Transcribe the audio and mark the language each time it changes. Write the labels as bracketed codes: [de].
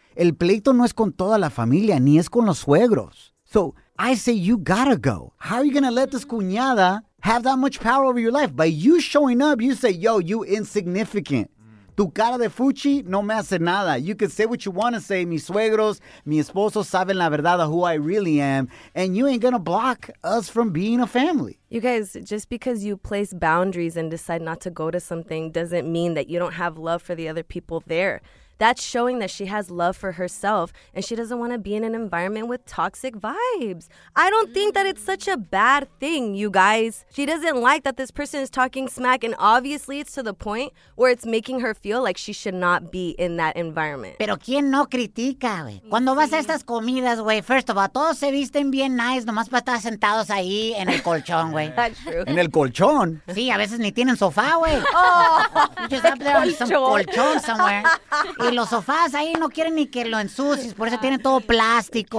[es] El pleito no es con toda la familia, ni es con los suegros. [en] So I say you gotta go. How are you gonna let this cuñada have that much power over your life? By you showing up, you say, yo, you insignificant. [es] Tu cara de fuchi no me hace nada. [en] You can say what you want to say. [es] Mis suegros, mi esposo saben la verdad [en] of who I really am. And you ain't going to block us from being a family. You guys, just because you place boundaries and decide not to go to something doesn't mean that you don't have love for the other people there. That's showing that she has love for herself and she doesn't want to be in an environment with toxic vibes. I don't think that it's such a bad thing, you guys. She doesn't like that this person is talking smack, and obviously it's to the point where it's making her feel like she should not be in that environment. [es] Pero ¿quién no critica, güey? Cuando vas a estas comidas, güey, [en] first of all, [es] todos se visten bien nice nomás para estar sentados ahí en el colchón, güey. [en] That's true. [es] ¿En el colchón? Sí, a veces ni tienen sofá, güey. Oh, [en] just up there on some colchón somewhere. [es] Y los sofás ahí no quieren ni que lo ensucies, por eso tienen todo plástico.